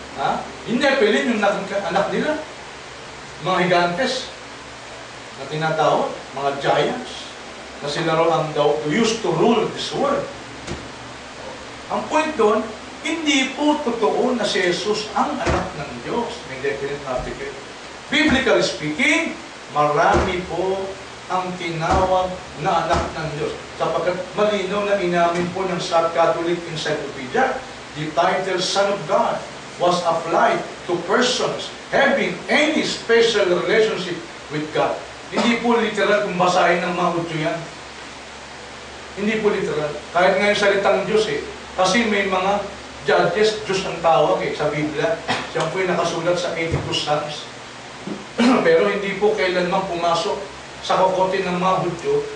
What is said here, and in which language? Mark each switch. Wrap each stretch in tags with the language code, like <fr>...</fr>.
<tl>Ha? Yung Nephilim, yung anak nila. Mga gigantes na tinatawag, mga giants, na sila raw ang</tl> <en>used to rule this world.</en> <tl>Ang point doon, hindi po totoo na si Jesus ang anak ng Diyos. May definite article. Biblically speaking, marami po ang tinawag na anak ng Diyos. Sapagkat malinaw na inamin po ng Sa Catholic Encyclopedia,</tl> <en>the title Son of God was applied to persons having any special relationship with God.</en> <tl>Hindi po literal kung basahin ng mga Hudyo yan. Hindi po literal. Kahit ngayon salitang Diyos eh. Kasi may mga Judges, Diyos ang tawag eh, sa Biblia. Siya po yung nakasulat sa 82 Psalms. Pero hindi po kailanman pumasok sa kokote ng mga Hudyo.</tl>